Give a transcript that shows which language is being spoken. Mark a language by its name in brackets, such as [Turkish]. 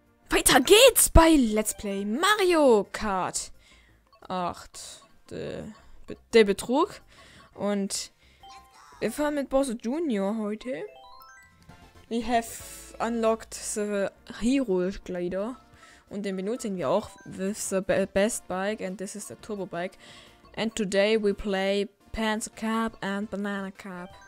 [German] Weiter geht's bei Let's Play Mario Kart 8. Der Betrug. Und wir fahren mit Bowser Jr. heute. [English] We have unlocked the Hero Glider. [German] Und den benutzen wir auch [English] with the best bike. And this is the Turbo Bike. And today we play Panzer Cup and Banana Cup.